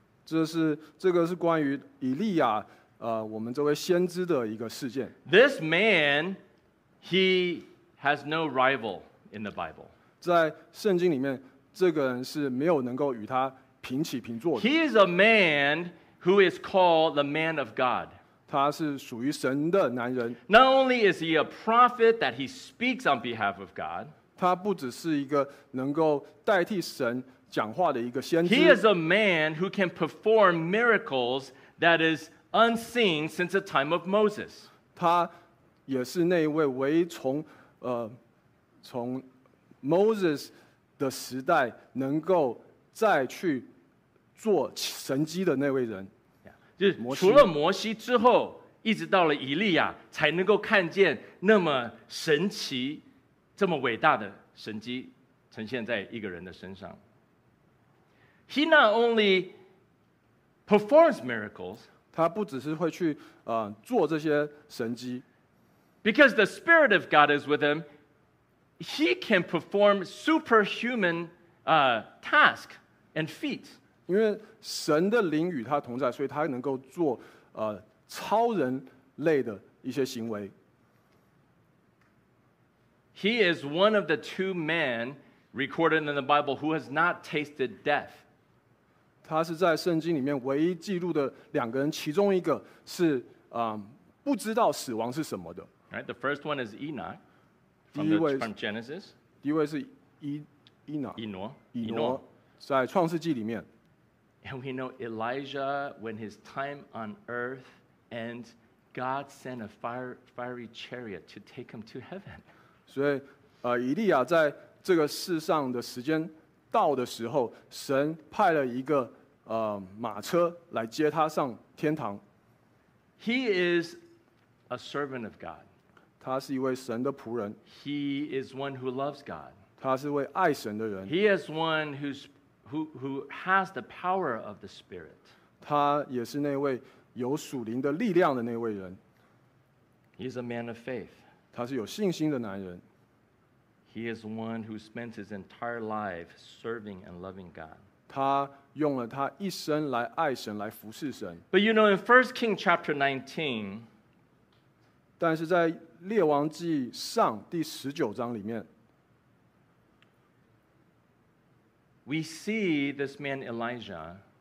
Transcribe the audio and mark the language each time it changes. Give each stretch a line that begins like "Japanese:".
Chinese: 这个是关于以利亚。我们这位先知的一个事件。
English: This man, he has no rival in the Bible.
Chinese: 在圣经里面，这个人是没有能够与他平起平坐的。
English: He is a man who is called the man of God.
Chinese: 他是属于神的男人。
English: Not only is he a prophet that he speaks on behalf of God.
Chinese: 他不只是一个能够代替神讲话的一个先知。
English: He is a man who can perform miracles that is. Unseen since the time of Moses.
Chinese: 他也是那一位唯一从 Moses 的时代能够再去做神迹的那位人。就除了摩西之后，一直到了以利亚，才能够看见那么神奇、这么伟大的神迹呈现在一个人的身上。
English: He not only performs miracles.
Chinese: 他不只是会去做这些神迹。
English: Because the Spirit of God is with him, he can perform superhuman tasks and feats.
Chinese: 因为神的灵与他同在，所以他能够做超人类的一些行为。
English: He is one of the two men recorded in the Bible who has not tasted death.
Chinese: 他是在圣经里面唯一记录的两个人，其中一个是不知道死亡是什么的。
English: Right, the first one is Enoch.
Chinese: 第一位
English: from Genesis.
Chinese: 第一位是伊诺。伊诺在创世纪里面。
English: And we know Elijah when his time on earth ends, God sent a fiery chariot to take him to heaven.
Chinese: 所以以利亚在这个世上的时间。到的时候，神派了一个马车来接他上天堂。
English: He is a servant of God.
Chinese: 他是一位神的仆人。
English: He is one who loves God.
Chinese: 他是位爱神的人。
English: He is one who has the power of the Spirit.
Chinese: 他也是那位有属灵的力量的那位人。
English: He is a man of faith.
Chinese: 他是有信心的男人。
English: He is one who spends his entire life serving and loving God.
Chinese: 他用了他一生来爱神，来服侍神。
English: But you know, in 1 Kings chapter 19,
Chinese: 但是在列王记上第十九章里面，
English: we see this man Elijah,